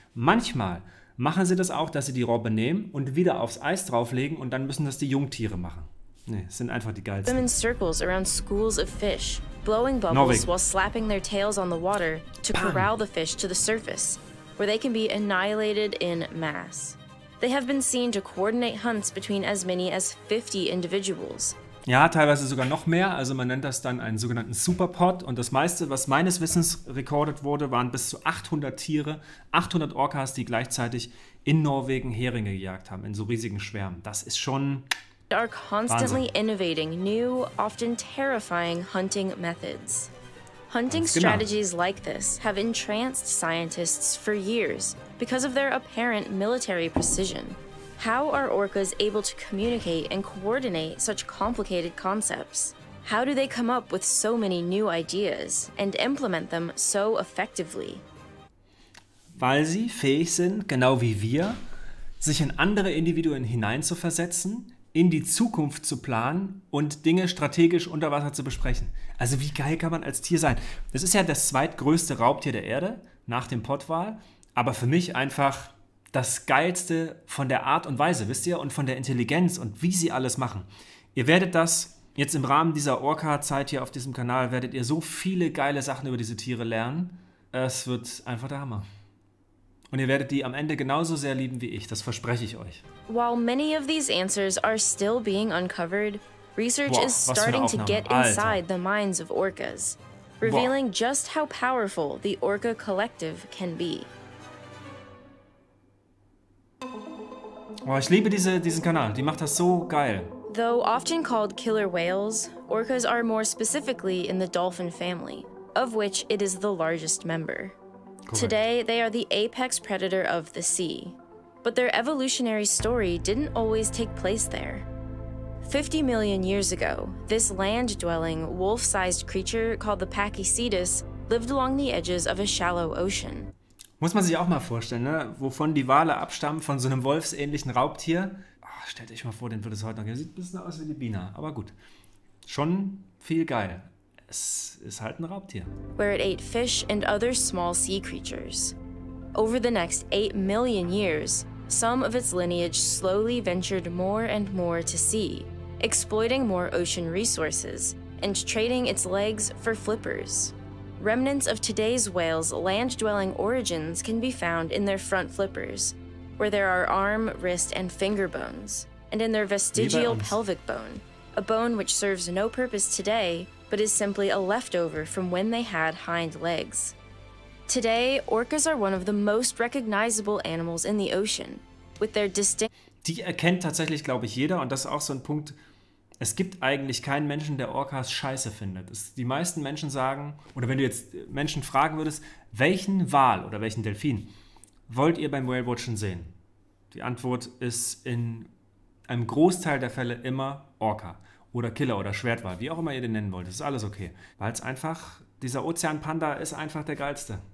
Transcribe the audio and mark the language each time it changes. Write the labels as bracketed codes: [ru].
[de] Manchmal machen sie das auch, dass sie die Robbe nehmen und wieder aufs Eis drauflegen und dann müssen das die Jungtiere machen. Nee, es sind einfach die geilsten. [en] In circles around schools of fish, blowing bubbles while slapping their tails on the water to corral the fish to the surface, where they can be annihilated in mass. They have been seen to coordinate hunts between as many as 50 individuals. [de] Ja, teilweise sogar noch mehr. Also man nennt das dann einen sogenannten Superpod. Und das meiste, was meines Wissens recorded wurde, waren bis zu 800 Tiere, 800 Orcas, die gleichzeitig in Norwegen Heringe gejagt haben, in so riesigen Schwärmen. Das ist schon Wahnsinn. [en] They are constantly innovating new, often terrifying hunting methods. Hunting strategies like this have entranced scientists for years because of their apparent military precision. How are orcas able to communicate and coordinate such complicated concepts? How do they come up with so many new ideas and implement them so effectively? [de] Weil sie fähig sind, genau wie wir, sich in andere Individuen hineinzuversetzen, in die Zukunft zu planen und Dinge strategisch unter Wasser zu besprechen. Also wie geil kann man als Tier sein? Das ist ja das zweitgrößte Raubtier der Erde nach dem Pottwal, aber für mich einfach das Geilste von der Art und Weise, wisst ihr? Und von der Intelligenz und wie sie alles machen. Ihr werdet das jetzt im Rahmen dieser Orca-Zeit hier auf diesem Kanal, werdet ihr so viele geile Sachen über diese Tiere lernen. Es wird einfach der Hammer. Und ihr werdet die am Ende genauso sehr lieben wie ich, das verspreche ich euch. [en] While many of these answers are still being uncovered, research is starting to get inside the minds of orcas, revealing just how powerful the orca collective can be. [de] Ich liebe diesen Kanal, die macht das so geil. [en] Though often called killer whales, orcas are more specifically in the dolphin family, of which it is the largest member. Correct. Today, they are the apex predator of the sea. But their evolutionary story didn't always take place there. 50 million years ago, this land-dwelling, wolf-sized creature called the Pachycetus lived along the edges of a shallow ocean. [de] Muss man sich auch mal vorstellen, ne? Wovon die Wale abstammen, von so einem wolfsähnlichen Raubtier. Oh, stell dich mal vor, den würde es heute noch geben. Sieht ein bisschen aus wie die Biene, aber gut. Schon viel geil. Es ist halt ein Raubtier. [en] Where it ate fish and other small sea creatures. Over the next 8 million years, some of its lineage slowly ventured more and more to sea, exploiting more ocean resources and trading its legs for flippers. Remnants of today's whales' land-dwelling origins can be found in their front flippers, where there are arm, wrist, and finger bones, and in their vestigial pelvic bone, a bone which serves no purpose today, but is simply a leftover from when they had hind legs. Today, orcas are one of the most recognizable animals in the ocean, with their distinct... [de] Die erkennt tatsächlich, glaube ich, jeder, und das ist auch so ein Punkt. Es gibt eigentlich keinen Menschen, der Orcas scheiße findet. Die meisten Menschen sagen, oder wenn du jetzt Menschen fragen würdest, welchen Wal oder welchen Delfin wollt ihr beim Whale-Watchen sehen? Die Antwort ist in einem Großteil der Fälle immer Orca oder Killer oder Schwertwal, wie auch immer ihr den nennen wollt. Das ist alles okay, weil es einfach, dieser Ozeanpanda ist einfach der geilste.